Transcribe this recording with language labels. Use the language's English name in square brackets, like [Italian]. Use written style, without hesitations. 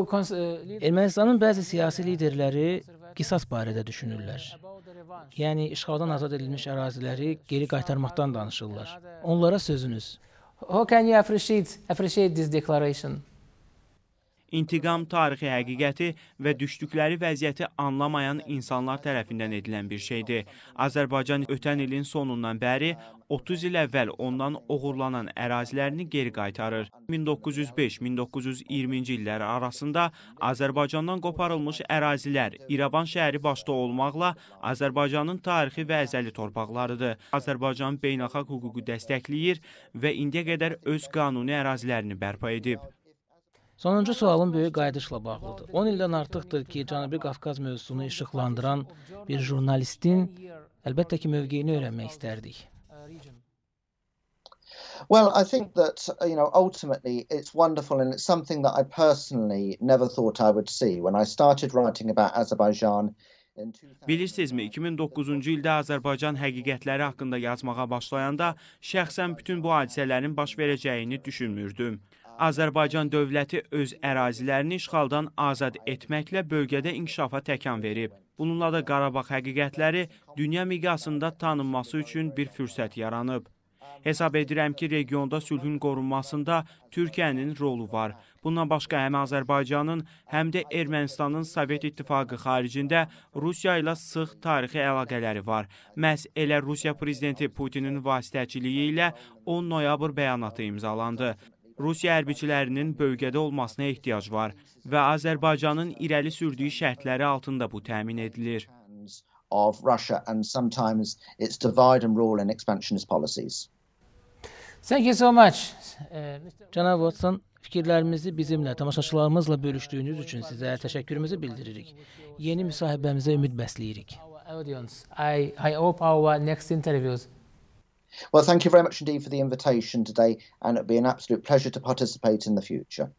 [Azerbaijani] Ermənistanın bəzi siyasi liderləri qisas barədə düşünürlər. Yəni, işğaldan azad edilmiş əraziləri geri qaytarmaqdan danışırlar. Onlara sözünüz. [English] How can you appreciate this declaration? [Azerbaijani] İntiqam tarixi həqiqəti və düşdükləri vəziyyəti anlamayan insanlar tərəfindən edilən bir şeydir. Azərbaycan ötən ilin sonundan bəri 30 il əvvəl ondan oğurlanan ərazilərini geri qaytarır. 1905-1920-ci illər arasında Azərbaycandan qoparılmış ərazilər İrəvan şəhəri başda olmaqla Azərbaycanın tarixi və əzəli torpaqlarıdır. Azərbaycan beynəlxalq hüququ dəstəkləyir və indiyə qədər öz qanuni ərazilərini bərpa edib. Sonuncu sualım böyük qayıdışla bağlıdır. 10 ildən artıqdır ki, Cənubi Qafqaz mövzusunu işıqlandıran bir jurnalistin əlbəttə ki, mövqeyini öyrənmək istərdik. [English] Well, I think that, you know, ultimately it's wonderful and it's something that I personally never thought I would see when I started writing about Azerbaijan. [Azerbaijani] Bilirsinizmi, 2009-cu ildə Azərbaycan həqiqətləri haqqında yazmağa başlayanda şəxsən bütün bu hadisələrin baş verəcəyini düşünmürdüm. Azərbaycan dövləti öz ərazilərini işğaldan azad etməklə bölgədə inkişafa təkan verib. Bununla da Qarabağ həqiqətləri dünya miqyasında tanınması üçün bir fürsət yaranıb. Hesab edirəm ki, regionda sülhün qorunmasında Türkiyənin rolu var. Bundan başqa həm Azərbaycanın, həm də Ermənistanın Sovet İttifaqı xaricində Rusiya ilə sıx tarixi əlaqələri var. Məhz elə Rusiya Prezidenti Putinin vasitəçiliyi ilə 10 noyabr bəyanatı imzalandı. Rusiya hərbiçilərinin bölgədə olmasına ehtiyac var və Azərbaycanın irəli sürdüyü şərtləri altında bu təmin edilir. [English] Of Russia and sometimes its divide and rule and expansionist policies. Thank you so much. [Azerbaijani] Cənab Watson, fikirlərimizi bizimlə, tamaşaçılarımızla bölüşdüyünüz üçün sizə təşəkkürümüzü bildiririk. Yeni müsahibəmizə ümid bəsləyirik. [English] I hope our next interviews. Well, thank you very much indeed for the invitation today and it'll be an absolute pleasure to participate in the future.